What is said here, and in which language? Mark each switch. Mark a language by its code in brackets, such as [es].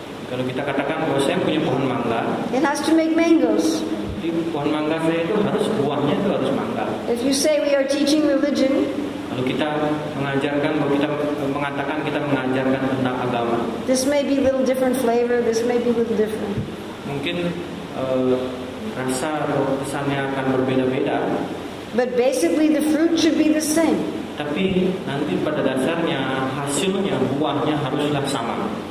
[id] kalau kita katakan bahwa saya punya pohon mangga, [en] it has to make mangoes. [id] Jadi pohon mangga saya itu harus buahnya itu harus mangga. [en] If you say we are teaching religion, [id] kalau kita mengajarkan, kalau kita mengatakan kita mengajarkan tentang agama, [en] this may be a little different flavor, this may be a little different. [id] Mungkin rasa atau kesannya akan berbeda-beda. [en] But basically the fruit should be the same. [id] Tapi nanti pada dasarnya hasilnya, buahnya haruslah sama.